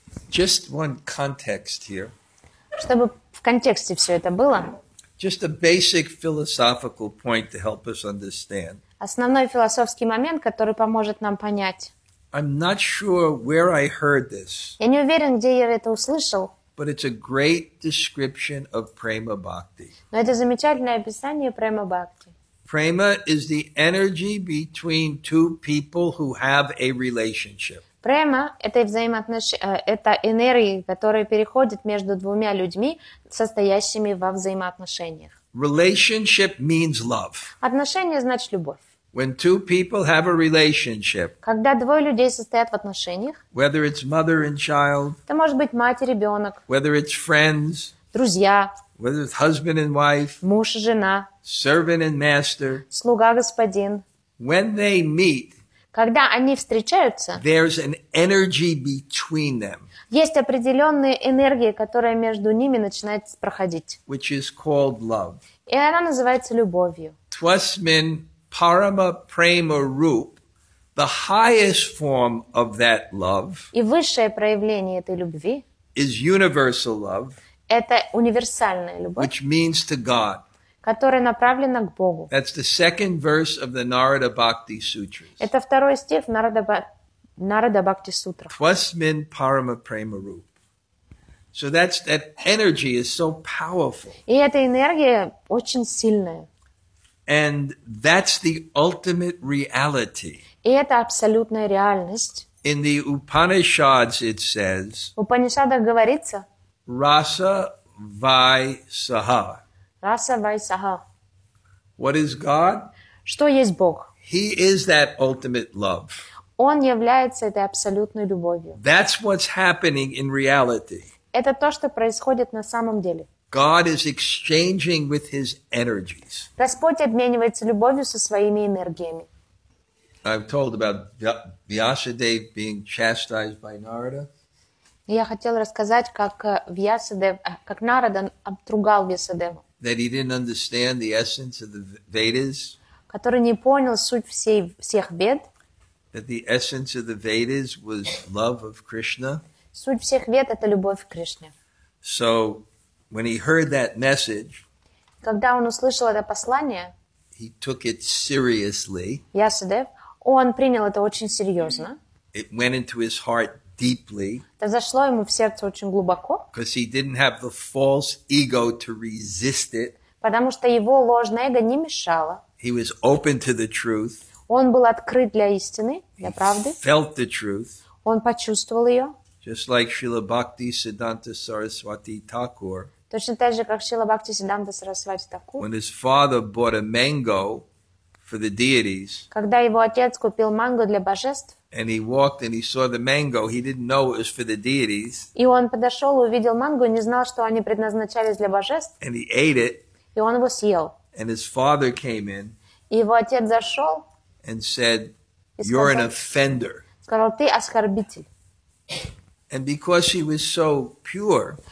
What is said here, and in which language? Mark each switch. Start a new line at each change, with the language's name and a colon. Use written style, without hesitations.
English: Just one context here.
Russian: Чтобы в контексте все это было.
English: Just a basic philosophical point to help us understand.
Russian: Основной философский момент, который поможет нам понять.
English: I'm not sure where I heard this.
Russian: Я не уверен, где я это услышал.
English: But it's a great description of prema bhakti.
Russian: Но это замечательное описание prema bhakti.
English: Prema is the energy between two people who have a relationship.
Russian: Prema это это энергия, которая переходит между двумя людьми, состоящими во взаимоотношениях.
English: Relationship means love.
Russian: Отношения значит любовь.
English: When two people have a relationship,
Russian: когда двое людей состоят в отношениях,
English: whether it's mother and child,
Russian: это может быть мать и ребенок,
English: whether it's friends,
Russian: друзья,
English: whether it's husband and wife,
Russian: муж и жена,
English: servant and master,
Russian: слуга господин,
English: when they meet,
Russian: когда они встречаются,
English: there's an energy between them,
Russian: есть определенная энергия, которая между ними начинает проходить,
English: which is called love,
Russian: и она называется любовью.
Sanskrit: Twasmin Parama prema rup,
English: the highest form of that love,
Russian: и высшее проявление этой любви,
English: is universal love,
Russian: это универсальная любовь,
English: which means to God,
Russian: которая направлена к Богу.
English: That's the second verse of the Narada Bhakti Sutras.
Russian: Это второй стих Нарада Бхакти Сутра.
Sanskrit: Twasmin parama prema rup.
English: So that's that energy is so powerful.
Russian: И эта энергия очень сильная.
English: And that's the ultimate reality.
Russian: И это абсолютная реальность.
English: In the Upanishads it says,
Russian: в Упанишадах говорится,
Sanskrit: Rasa Vai Saha. Rasa Vai Saha.
English: What is God?
Russian: Что есть Бог?
English: He is that ultimate love.
Russian: Он является этой абсолютной любовью.
English: That's what's happening in reality.
Russian: Это то, что происходит на самом деле.
English: God is exchanging with his energies.
Russian: Господь обменивается любовью со своими энергиями.
English: I've told about Vyasadeva being chastised by Narada.
Russian: Я хотел рассказать, как Нарада обругал Вьясадеву.
English: That he didn't understand the essence of the Vedas.
Russian: Который не понял суть всех Вед.
English: That the essence of the Vedas was love of Krishna.
Russian: Суть всех Вед это любовь к Кришне.
English: So when he heard that message,
Russian: когда он услышал это послание,
English: he took it seriously.
Russian: Ясадев, он принял это очень серьезно.
English: It went into his heart deeply.
Russian: Это зашло ему в сердце очень глубоко.
English: Because he didn't have the false ego to resist it.
Russian: Потому что его ложное эго не мешало.
English: He was open to the truth.
Russian: Он был открыт для истины, для правды.
English: He felt the truth.
Russian: Он почувствовал ее.
English: Just like Srila Bhakti Siddhanta Saraswati Thakur.
Russian: Точно так же, как Srila Bhakti Siddhanta Saraswati Thakur.
English: When his father bought a mango for the deities.
Russian: Когда его отец купил манго для божеств.
English: And he walked and he saw the mango. He didn't know it was for the deities.
Russian: И он подошел, увидел манго, не знал, что они предназначались для божеств.
English: And he ate it.
Russian: И он его съел.
English: And his father came in.
Russian: И его отец зашел.
English: And said, "You're an offender."
Russian: Сказал, ты оскорбитель.
English: And because he was so pure,